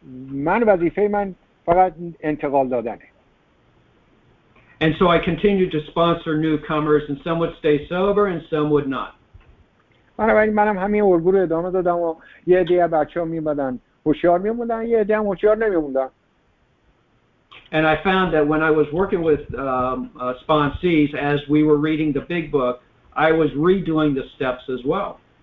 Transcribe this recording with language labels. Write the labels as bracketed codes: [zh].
[fa] من وظیفه من فقط انتقال دادنه. [en] And so I continued to sponsor newcomers and some would stay sober and some would not. [fa] منم همین الگو رو ادامه دادم و یه عده از بچه‌ها میمدن هوشیار میموندن یه عده هم هوشیار نمیموندن. [en] And I found that when I was working with sponsees as we were reading the big book, I was redoing the steps as well.